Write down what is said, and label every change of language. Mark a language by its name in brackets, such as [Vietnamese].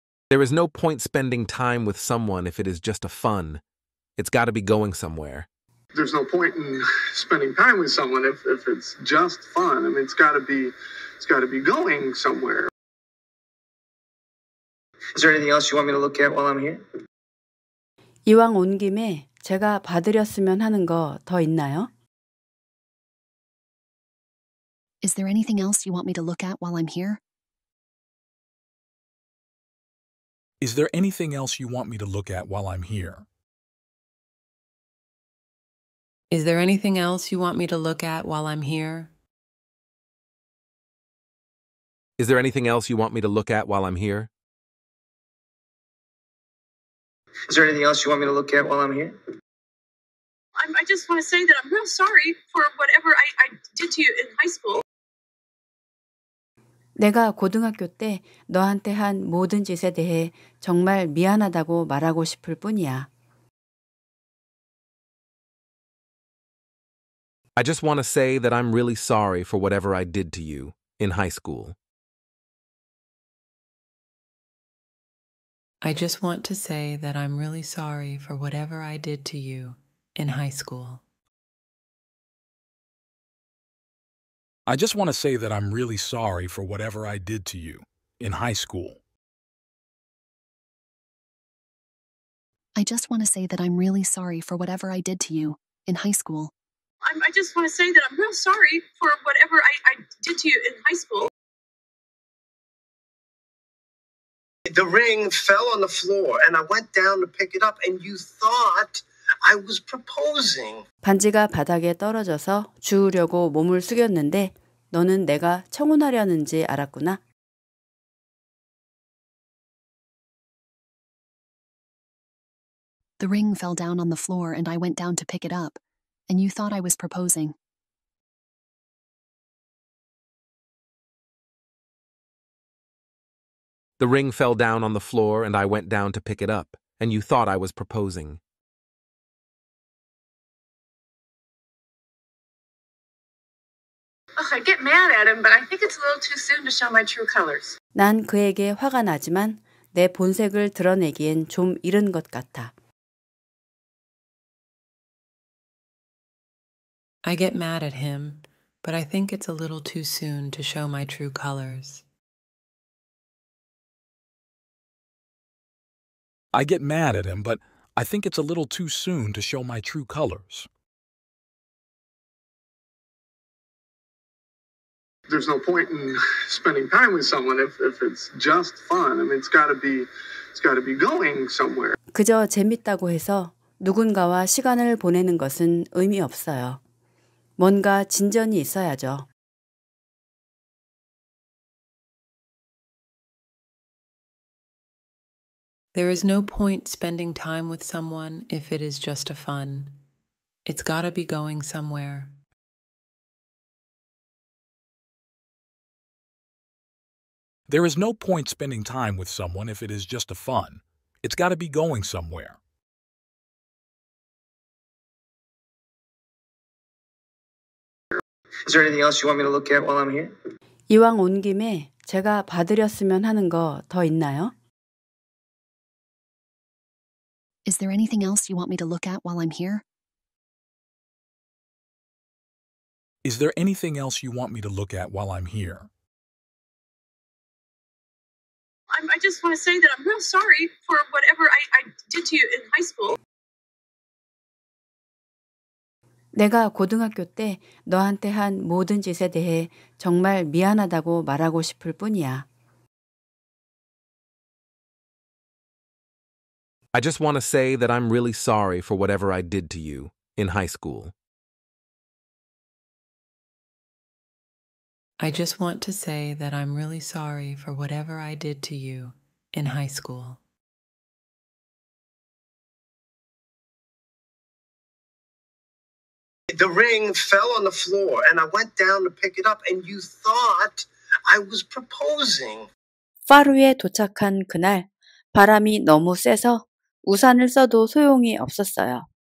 [English] There is no point spending time with someone if it is just a fun. It's got to be going somewhere. There's no point in spending time with someone if it's just fun. I mean, it's got to be going somewhere. Is there anything else you want me to look at while I'm here? [Korean] 이왕 온 김에 제가 봐드렸으면 하는 거 더 있나요? [English] Is there anything else you want me to look at while I'm here? Is there anything else you want me to look at while I'm here? Is there anything else you want me to look at while I'm here? Is there anything else you want me to look at while I'm here? Is there anything else you want me to look at while I'm here? I just want to say that I'm real sorry for whatever I did to you in high school. [Korean] 내가 고등학교 때 너한테 한 모든 짓에 대해 정말 미안하다고 말하고 싶을 뿐이야. [English] I just want to say that I'm really sorry for whatever I did to you in high school. I just want to say that I'm really sorry for whatever I did to you in high school. I just want to say that I'm really sorry for whatever I did to you in high school. I just want to say that I'm really sorry for whatever I did to you in high school. I just want to say that I'm real sorry for whatever I did to you in high school. The ring fell on the floor and I went down to pick it up and you thought I was proposing. [Korean] 반지가 바닥에 떨어져서 주우려고 몸을 숙였는데 너는 내가 청혼하려는지 알았구나. [English] The ring fell down on the floor and I went down to pick it up, and you thought I was proposing. The ring fell down on the floor and I went down to pick it up, and you thought I was proposing. Ugh, I get mad at him, but I think it's a little too soon to show my true colors. [Korean] 난 그에게 화가 나지만 내 본색을 드러내기엔 좀 이른 것 같아. [English] I get mad at him, but I think it's a little too soon to show my true colors. I get mad at him, but I think it's a little too soon to show my true colors. There's no point in spending time with someone if it's just fun. I mean, it's got to be going somewhere. [Korean] 그저 재밌다고 해서 누군가와 시간을 보내는 것은 의미 없어요. 뭔가 진전이 있어야죠. [English] There is no point spending time with someone if it is just a fun. It's got to be going somewhere. There is no point spending time with someone if it is just a fun. It's got to be going somewhere. Is there anything else you want me to look at while I'm here? [Korean] 이왕 온 김에 제가 봐드렸으면 하는 거 더 있나요? [English] Is there anything else you want me to look at while I'm here? Is there anything else you want me to look at while I'm here? I just want to say that I'm real sorry for whatever I did to you in high school. [Korean] 내가 고등학교 때 너한테 한 모든 짓에 대해 정말 미안하다고 말하고 싶을 뿐이야. [English] I just want to say that I'm really sorry for whatever I did to you in high school. I just want to say that I'm really sorry for whatever I did to you in high school. The ring fell on the floor and I went down to pick it up and you thought I was proposing. [Korean] 파루에 도착한 그날 바람이 너무 세서 우산을 써도 소용이 없었어요.